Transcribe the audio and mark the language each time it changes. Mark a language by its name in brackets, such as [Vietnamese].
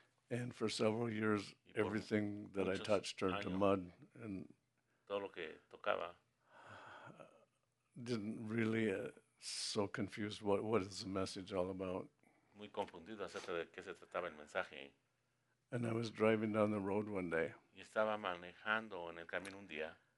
[English] And for several years, everything that I touched turned to mud, and [Spanish] todo lo que tocaba. [English] Didn't really so confused what is the message all about. [Spanish] Muy confundido acerca de qué se trataba el mensaje. [English] And I was driving down the road one day. [Spanish] Y estaba manejando en el camino un día.